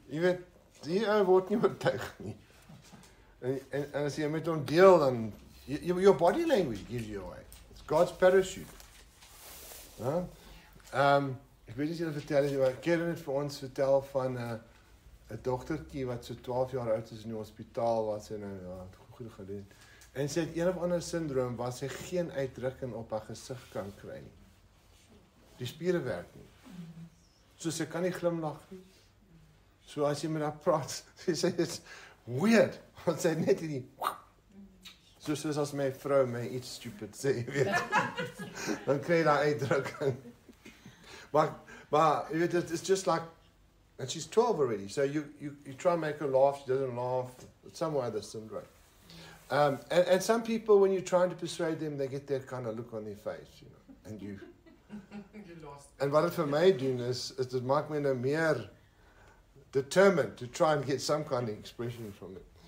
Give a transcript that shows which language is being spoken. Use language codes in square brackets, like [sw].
[af] Jy weet, die ou word nie oortuig nie. En as jy met hom deel, dan [en] your body language gives you away. God's parachute. [af] Huh? Ek weet nie of jy vertel het, maar Karen het vir ons vertel van 'n dogtertjie wat so 12 jaar oud is in die hospitaal was en goed gedoen. En sy het een of ander syndroom waar sy geen uitdrukking op haar gesig kan kry nie. Die spiere werk nie. So sy kan nie glimlag nie. So as jy met haar praat, sy sê dit's weird. Want sy net nie. Soos is as my vrou my iets stupid sê, jy weet. Dan kry jy daar uitdrukking. Maar, jy weet, [en] it's just like, and she's 12 already, so you try and make her laugh, she doesn't laugh, it's some other syndrome. And some people, when you're trying to persuade them, they get that kind of look on their face, you know, and you... And [af] wat het vir my doen is dit maak my nou meer [en] determined to try and get some kind of expression from it.